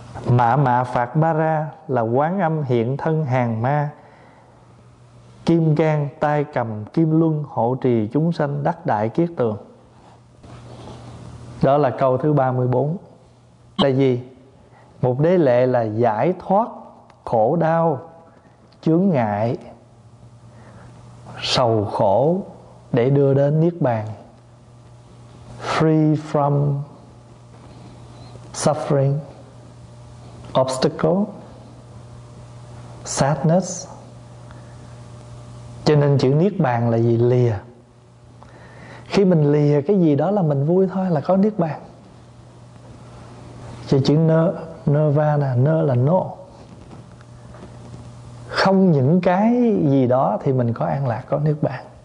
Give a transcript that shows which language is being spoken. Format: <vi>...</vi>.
<vi>Mạ Phạt Ba Ra là Quan Âm hiện thân hàng ma, kim cang tay cầm kim luân hộ trì chúng sanh đắc đại kiết tường. Đó là câu thứ 34. Là gì? Một đế lệ là giải thoát khổ đau, chướng ngại, sầu khổ để đưa đến Niết Bàn.</vi> <en>Free from suffering, obstacle, sadness.</en> <vi>Cho nên chữ Niết Bàn là gì? Lìa. Khi mình lìa cái gì đó là mình vui thôi, là có Niết Bàn. Cho chữ Nirvana, nơ là no. Không những cái gì đó thì mình có an lạc, có Niết Bàn.</vi>